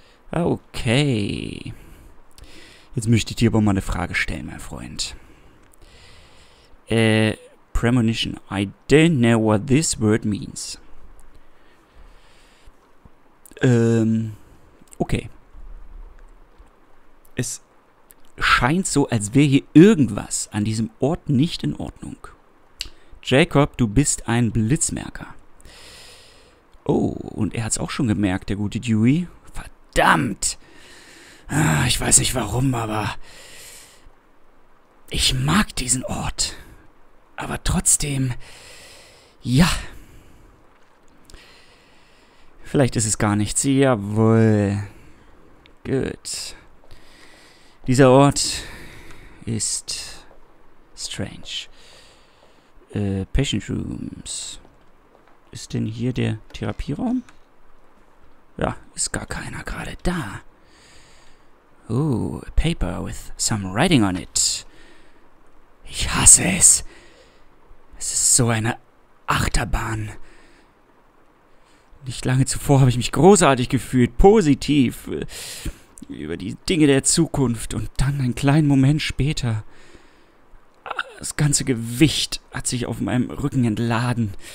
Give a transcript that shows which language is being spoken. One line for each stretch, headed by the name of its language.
German: Okay. Jetzt möchte ich dir aber mal eine Frage stellen, mein Freund.
English: Premonition. I don't know what this word means.
German: Okay. Es scheint so, als wäre hier irgendwas an diesem Ort nicht in Ordnung. Jacob, du bist ein Blitzmerker. Oh, und er hat es auch schon gemerkt, der gute Dewey. Verdammt! Ich weiß nicht warum, aber ich mag diesen Ort. Aber trotzdem, ja. Vielleicht ist es gar nichts. Jawohl. Gut. Dieser Ort ist strange.
English: Patient Rooms.
German: Ist denn hier der Therapieraum? Ja, ist gar keiner gerade da.
English: Oh, a paper with some writing on it.
German: Ich hasse es. Es ist so eine Achterbahn. Nicht lange zuvor habe ich mich großartig gefühlt, positiv, über die Dinge der Zukunft. Und dann einen kleinen Moment später, das ganze Gewicht hat sich auf meinem Rücken entladen.